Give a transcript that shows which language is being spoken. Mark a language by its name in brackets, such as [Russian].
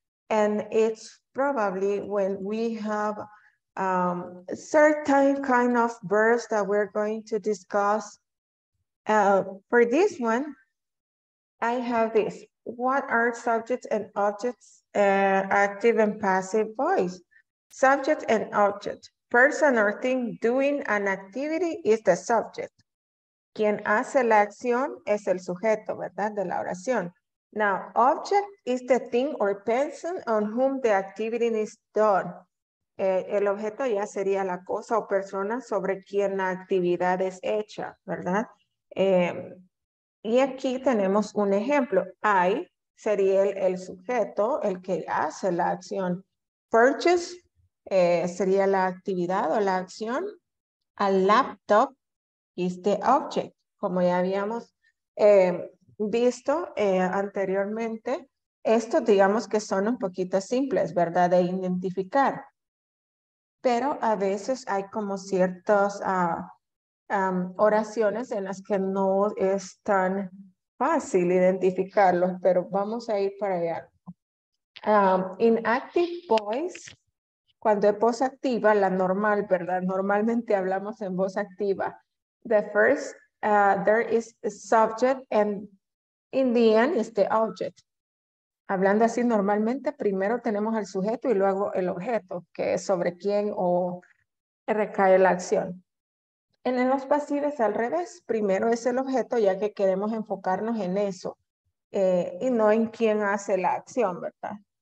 [English] And it's probably when we have certain kind of verbs that we're going to discuss. For this one, I have this. What are subjects and objects, active and passive voice? Subject and object. Person or thing doing an activity is the subject. [Spanish] Quien hace la acción es el sujeto, ¿verdad? De la oración. [English] Now, object is the thing or person on whom the activity is done. [Spanish] El objeto ya sería la cosa o persona sobre quien la actividad es hecha, ¿verdad? Y aquí tenemos un ejemplo. I sería el sujeto, el que hace la acción. Purchase sería la actividad o la acción. [English] A laptop is the object. [Spanish] Como ya habíamos visto anteriormente, estos digamos que son un poquito simples, ¿verdad? De identificar. Pero a veces hay como ciertas oraciones en las que no es tan fácil identificarlos, pero vamos a ir para allá. [English] In active voice, [Spanish] cuando es voz activa, la normal, ¿verdad? Normalmente hablamos en voz activa. [English] The first, there is a subject and in the end is the object. [Spanish] Hablando así normalmente, primero tenemos el sujeto y luego el objeto, que es sobre quién o recae la acción. En los pasivos al revés, primero es el objeto, ya que queremos enfocarnos en eso y no en quién hace la acción, ¿verdad?